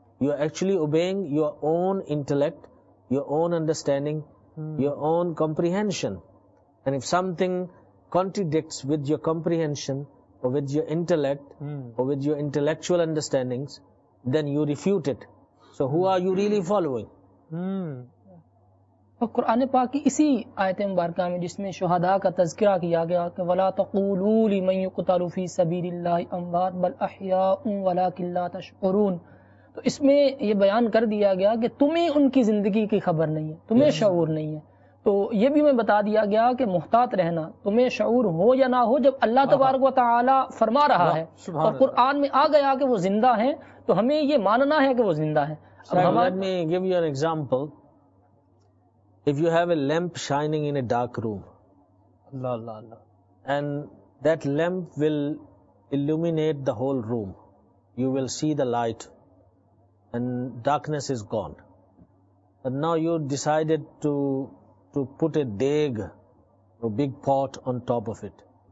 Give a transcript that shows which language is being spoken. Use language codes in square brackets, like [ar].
[en] You are actually obeying your own intellect, your own understanding, your own comprehension. And if something contradicts with your comprehension or with your intellect or with your intellectual understandings, then you refute it. So who are you really following? [ur] تو قرآن پاک کی اسی آیت مبارکہ میں جس میں شہداء کا تذکرہ کیا گیا کہ [ar] وَلَا تَقُولُوا لِمَنْ يُقْتَلُ فِي سَبِيلِ اللَّهِ أَمْوَاتٌ بَلْ أَحْيَاءٌ وَلَكِنْ لَا تَشْعُرُونَ. [ur] تو اس میں یہ بیان کر دیا گیا کہ تمہیں ان کی زندگی کی خبر نہیں ہے, تمہیں شعور نہیں ہے. تو یہ بھی میں بتا دیا گیا کہ محتاط رہنا, تمہیں شعور ہو یا نہ ہو, جب اللہ تبارک و تعالی فرما رہا ہے اور قرآن میں آ گیا کہ وہ زندہ ہیں, تو ہمیں یہ ماننا ہے کہ وہ زندہ ہیں. [en] If you have a lamp shining in a dark room, [ar] Allah, Allah, Allah, [en] and that lamp will illuminate the whole room, you will see the light and darkness is gone. But now you decided to put a deg, a big pot on top of it.